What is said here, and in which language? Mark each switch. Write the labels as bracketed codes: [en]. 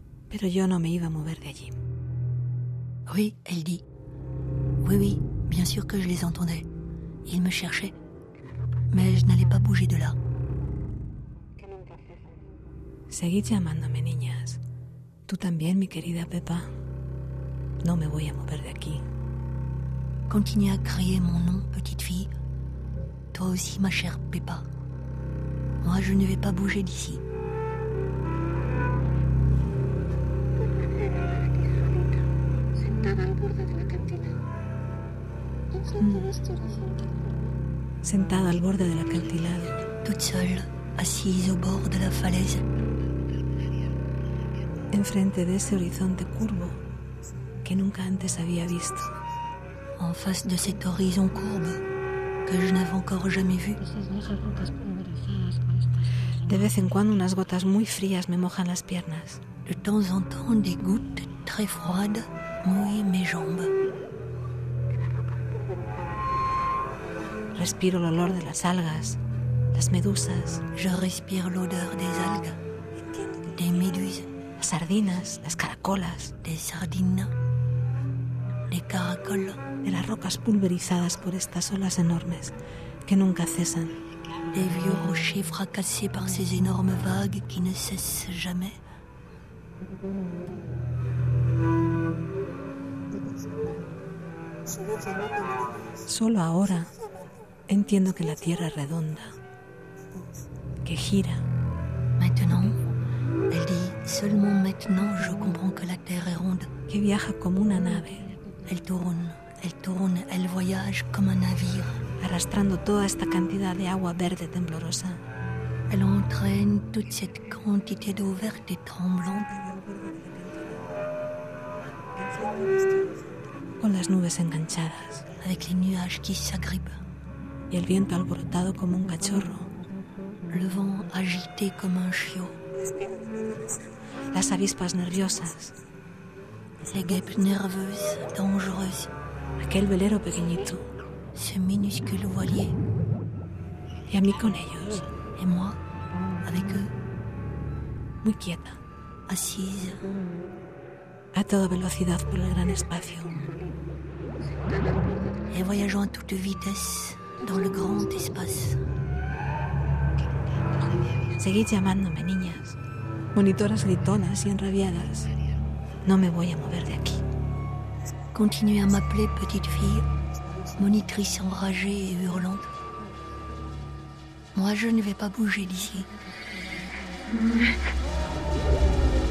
[es] Pero yo no me iba a mover de allí. [fr] Oui, elle dit. Oui, oui, bien sûr que je les entendais. Ils me cherchaient. Mais je n'allais pas bouger de là. [es] Seguid llamándome, niñas. Tú también, mi querida Pepa. No me voy a mover de aquí. [fr] Continue à crier mon nom, petite fille. Toi aussi, ma chère Pepa. Moi, je ne vais pas bouger d'ici. Mm. [es] sentada al borde del acantilado. [fr] Toute seule, assise au bord de la falaise. [es] Enfrente de ese horizonte curvo que nunca antes había visto. [fr] En face de cet horizon courbe que je n'avais encore jamais vu. [es] De vez en cuando unas gotas muy frías me mojan las piernas. [fr] De temps en temps des gouttes très froides mouillent mes jambes. [es] Respiro el olor de las algas, las medusas. [fr] Je respire l'odeur des algues, des méduses. [es] Las sardinas, las caracolas. [fr] Des sardines, des caracoles. [es] De las rocas pulverizadas por estas olas enormes que nunca cesan. [fr] Des vieux rochers fracassés par ces énormes vagues qui ne cessent jamais. [es] Solo ahora entiendo que la Tierra es redonda, que gira. [fr] Maintenant, elle dit, seulement maintenant je comprends que la Terre est ronde. [es] Que viaja como una nave. [fr] Elle tourne, elle voyage comme un navire. [es] Arrastrando toda esta cantidad de agua verde temblorosa. [fr] Elle entraîne toute cette quantité d'eau verte et tremblante. [es] Con las nubes enganchadas. [fr] Avec les nuages qui s'agrippent. [es] Y el viento alborotado como un cachorro. [fr] Le vent agité comme un chiot. [es] Las avispas nerviosas. [fr] Les guêpes nerveuses, dangereuses. [es] Aquel velero pequeñito. [fr] Ce minuscule voilier. [es] Y a mí con ellos. [fr] Et moi, avec eux. [es] Muy quieta. [fr] Assise. [es] A toda velocidad por el gran espacio. [fr] Y voyageant a toute vitesse. Dans le grand espace. [es] Seguid llamándome, niñas. Monitoras gritonas y enrabiadas. No me voy a mover de aquí. [fr] Continuez à m'appeler, petite fille. Monitrice enragée et hurlante. Moi, je ne vais pas bouger d'ici.